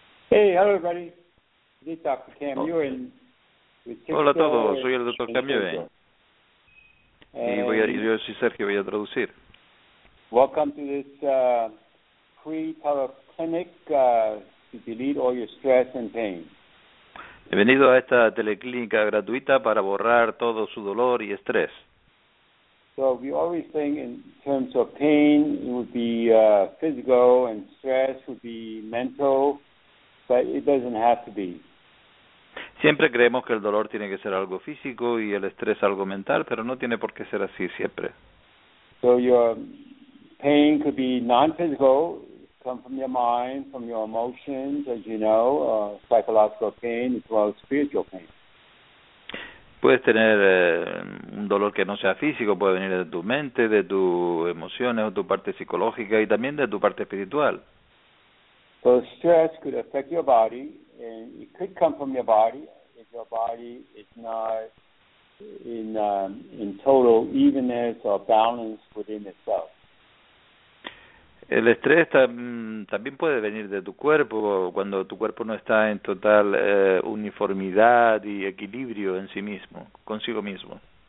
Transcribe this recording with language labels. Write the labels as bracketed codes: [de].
[en] Hey, hello, everybody. This is Dr. Cam Ewan. [es] Hola a todos, soy el Dr. Cam Ewan. Y yo soy Sergio, voy a traducir. [en] Welcome to this pre-teleclinic to delete all your stress and pain. [es] Bienvenido a esta teleclínica gratuita para borrar todo su dolor y estrés. [en] So we always think in terms of pain, it would be physical, and stress would be mental, but it doesn't have to be. [es] Siempre creemos que el dolor tiene que ser algo físico y el estrés algo mental, pero no tiene por qué ser así siempre. [en] So your pain could be non-physical, come from your mind, from your emotions, as you know, psychological pain as well as spiritual pain. [es] Puedes tener un dolor que no sea físico, puede venir de tu mente, de tus emociones o tu parte psicológica y también de tu parte espiritual. [en] So stress could affect your body, and it could come from your body if your body is not in total evenness or balance within itself. [es] El estrés también puede venir de tu cuerpo cuando tu cuerpo no está en total uniformidad y equilibrio en sí mismo, consigo mismo.